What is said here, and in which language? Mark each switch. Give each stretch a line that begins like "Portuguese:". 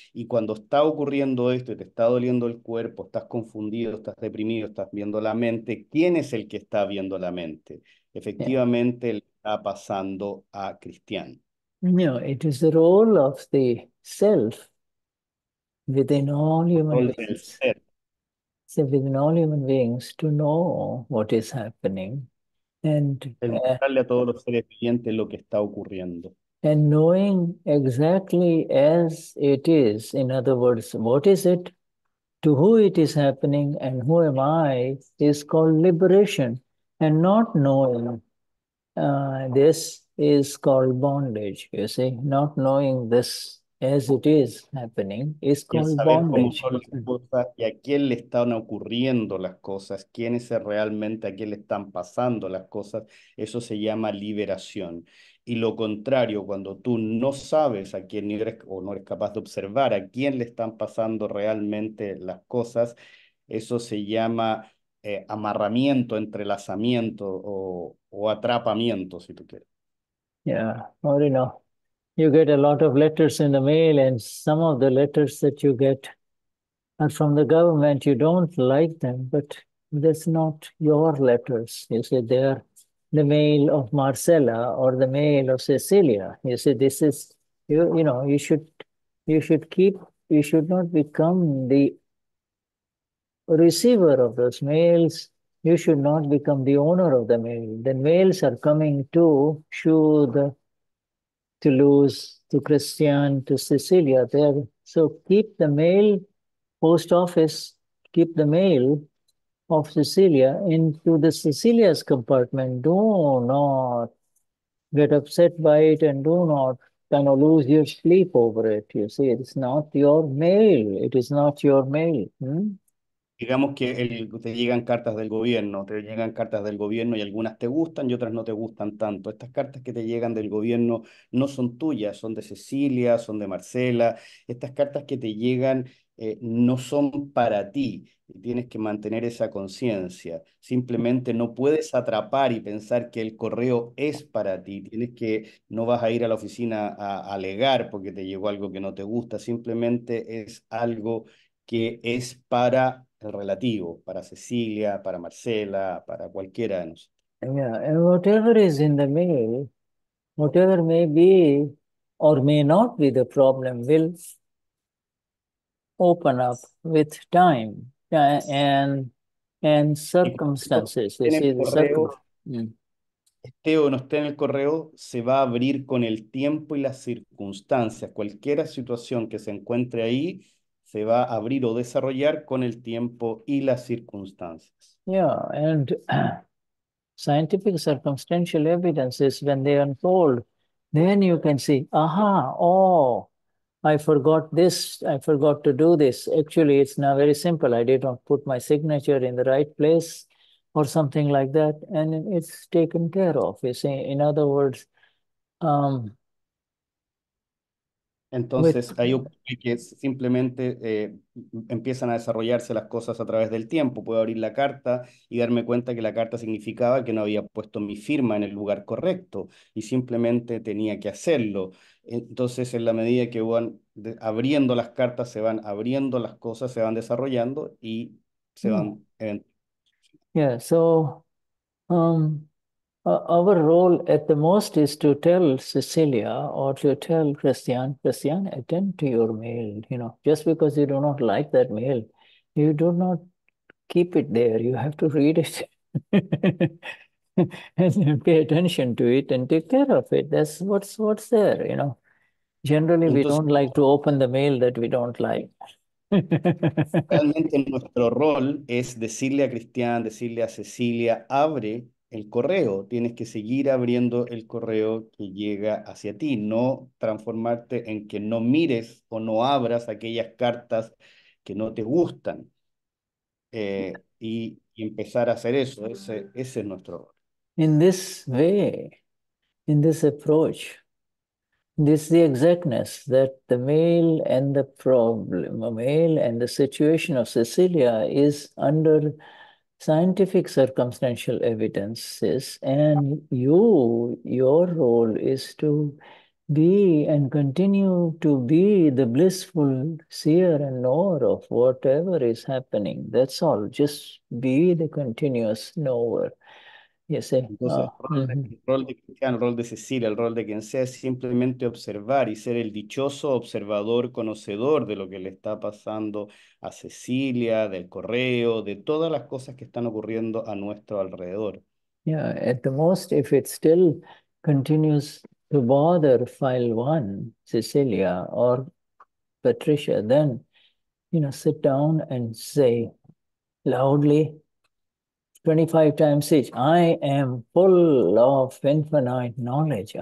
Spanish: Y cuando está ocurriendo esto y te está doliendo el cuerpo, estás confundido, estás deprimido, estás viendo la mente, ¿quién es el que está viendo la mente? Efectivamente, el pasando a Cristian.
English: No, it is the role of the self within all human beings. So within all human beings to know what is happening and
Spanish: mostrarle a todos los seres vivientes lo que está ocurriendo.
English: And knowing exactly as it is, in other words, what is it, to who it is happening and who am I, is called liberation. And not knowing this is called bondage, you see. Not knowing this as it is happening is called bondage.
Spanish: ¿Y a quién le están ocurriendo las cosas? ¿Quién es realmente? ¿A quién le están pasando las cosas? Eso se llama liberación. Y lo contrario, cuando tú no sabes a quién eres o no eres capaz de observar a quién le están pasando realmente las cosas, eso se llama amarramiento, entrelazamiento o atrapamiento, si tú quieres.
English: Yeah, well, you know, you get a lot of letters in the mail, and some of the letters that you get are from the government. You don't like them, but that's not your letters. You see, they are the mail of Marcella or the mail of Cecilia. You see, this is, you know, you should not become the receiver of those mails. You should not become the owner of the mail. The mails are coming to Shuddha, to Luz, to Christian, to Cecilia. There. So keep the mail, post office, keep the mail of Cecilia into the Cecilia's compartment. Do not get upset by it and do not kind of lose your sleep over it. You see, it's not your mail. It is not your mail.
Spanish: Digamos que te llegan cartas del gobierno, te llegan cartas del gobierno y algunas te gustan y otras no te gustan tanto. Estas cartas que te llegan del gobierno no son tuyas, son de Cecilia, son de Marcela. Estas cartas que te llegan no son para ti. Tienes que mantener esa conciencia. Simplemente no puedes atrapar y pensar que el correo es para ti. Tienes que, no vas a ir a la oficina a alegar porque te llegó algo que no te gusta. Simplemente es algo que es para el relativo, para Cecilia, para Marcela, para cualquiera de nosotros.
English: Yeah, and whatever is in the mail, whatever may be or may not be the problem will open up with time and circumstances. You
Spanish: En el
English: see the
Spanish: correo,
English: circumstances. Mm.
Spanish: esté o no esté en el correo, se va a abrir con el tiempo y las circunstancias. Cualquier situación que se encuentre ahí se va a abrir o desarrollar con el tiempo y las circunstancias.
English: Yeah, and scientific circumstantial evidences, when they unfold, then you can see, aha, oh, I forgot this, I forgot to do this. Actually, it's now very simple. I did not put my signature in the right place or something like that, and it's taken care of. You see, in other words,
Spanish: Entonces,
English: with.
Spanish: ahí ocurre que simplemente empiezan a desarrollarse las cosas a través del tiempo. Puedo abrir la carta y darme cuenta que la carta significaba que no había puesto mi firma en el lugar correcto y simplemente tenía que hacerlo. Entonces, en la medida que van abriendo las cartas, se van abriendo las cosas, se van desarrollando y se van eventualmente.
English: Yeah, so our role at the most is to tell Cecilia or to tell Cristian, attend to your mail. You know, just because you do not like that mail, you do not keep it there. You have to read it and pay attention to it and take care of it. That's what's there. You know, generally we
Spanish: Entonces,
English: don't like to open the mail that we don't like.
Spanish: realmente nuestro rol es decirle a Cristian, decirle a Cecilia, abre el correo, tienes que seguir abriendo el correo que llega hacia ti, no transformarte en que no mires o no abras aquellas cartas que no te gustan y empezar a hacer eso, ese es nuestro rol.
English: In this way, in this approach, this is the exactness that the mail and the problem, the mail and the situation of Cecilia is under scientific circumstantial evidences, and your role is to be and continue to be the blissful seer and knower of whatever is happening. That's all. Just be the continuous knower. You say,
Spanish: Entonces, el rol de Cecilia, el rol de quien sea, es simplemente observar y ser el dichoso observador, conocedor de lo que le está pasando a Cecilia, del correo, de todas las cosas que están ocurriendo a nuestro alrededor.
English: Yeah, at the most, if it still continues to bother file one, Cecilia or Patricia, then, you know, sit down and say loudly, 25 times each, I am full of infinite knowledge.